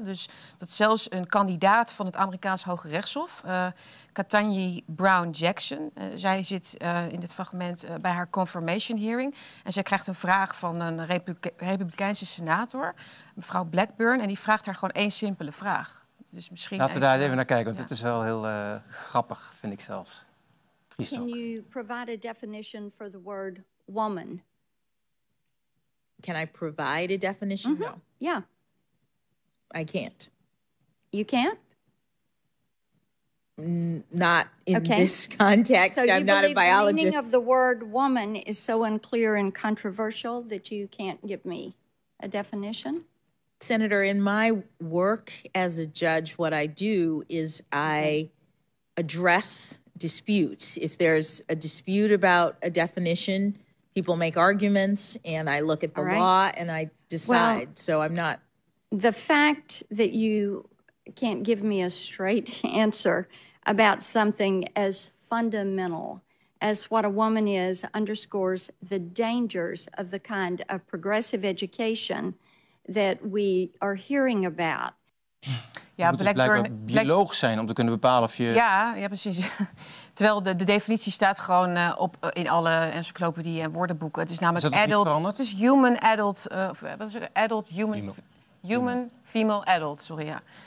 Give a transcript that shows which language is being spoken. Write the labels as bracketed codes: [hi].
[nl] Dus dat zelfs een kandidaat van het Amerikaans Hoge Rechtshof, Ketanji Brown Jackson, zij zit in dit fragment bij haar confirmation hearing. En zij krijgt een vraag van een Republikeinse senator, mevrouw Blackburn, en die vraagt haar gewoon één simpele vraag. Dus misschien laten we daar even naar kijken, want dit is wel heel grappig, vind ik zelfs. [en] Can you provide a definition for the word woman? Can I provide a definition? Mm-hmm. No. Yeah. I can't. You can't? Not in this context. So I'm not a biologist. The meaning of the word woman is so unclear and controversial that you can't give me a definition? Senator, in my work as a judge, what I do is I address... disputes. If there's a dispute about a definition, people make arguments, and I look at the law and I decide. Well, so I'm not... The fact that you can't give me a straight answer about something as fundamental as what a woman is underscores the dangers of the kind of progressive education that we are hearing about. [nl] Ja, je moet Black dus blijkbaar Burn, bioloog Black... zijn om te kunnen bepalen of je... Ja, ja precies. Terwijl de definitie staat gewoon op in alle encyclopedieën en woordenboeken. Het is namelijk is adult... Het [en] is human adult... [nl] wat is het? [en] Adult human... Human female adult, sorry, ja.